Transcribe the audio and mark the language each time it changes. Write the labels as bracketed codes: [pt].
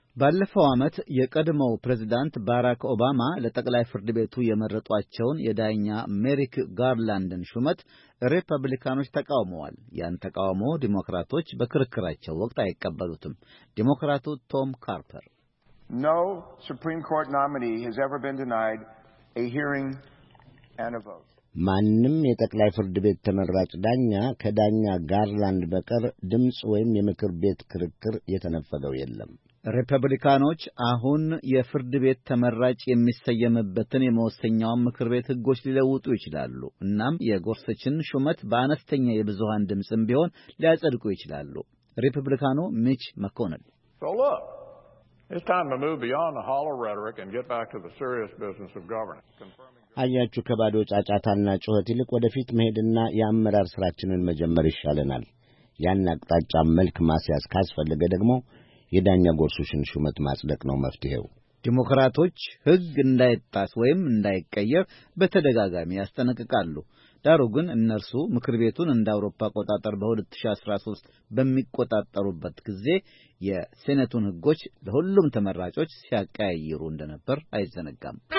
[am] ባለፈው ዓመት የቀድሞው ፕሬዝዳንት ባራክ ኦባማ ለጠቅላይ ፍርድ ቤቱ የመረጧቸውን የዳኛ ሜሪክ ጋርላንድን ሹመት ሪፐብሊካኖች ተቃውመዋል። ያን ተቃውሞ ዲሞክራቶች በክርክራቸው ወቅት አይቀበሉትም። ዲሞክራቱ ቶም ካርፐር [en] No Supreme Court nominee has ever been denied a hearing and a vote. [am] ማንም የጠቅላይ ፍርድ ቤት ተመራጭ ዳኛ ከዳኛ ጋርላንድ በቀር ድምጽ ወይም የምክር ቤት ክርክር የተነፈገው የለም። ሪፐብሊካኖች አሁን የፍርድ ቤት ተመራጭ የሚሰየምበትን የመወሰኛውን ምክር ቤት ህጎች ሊለውጡ ይችላሉ። እናም የጎርሰችን ሹመት በአነስተኛ የብዙሃን ድምጽም ቢሆን ሊያጸድቁ ይችላሉ። ሪፐብሊካኑ ሚች መኮነል [en] It's time to move beyond the hollow rhetoric and get back to the serious business of governing. [am] አያችሁ ከባዶ ጫጫታና ጩኸት ይልቅ ወደፊት መሄድና የአመራር ስራችንን መጀመር ይሻለናል። ያን አቅጣጫ መልክ ማስያዝ ካስፈለገ ደግሞ የዳኛ ጎርሱሽን ሹመት ማጽደቅ ነው መፍትሄው። ዲሞክራቶች ህግ እንዳይጣስ ወይም እንዳይቀየር በተደጋጋሚ ያስጠነቅቃሉ። ዳሩ ግን እነርሱ ምክር ቤቱን እንደ አውሮፓ አቆጣጠር በ2013 በሚቆጣጠሩበት ጊዜ የሴኔቱን ህጎች ለሁሉም ተመራጮች ሲያቀያይሩ እንደነበር አይዘነጋም።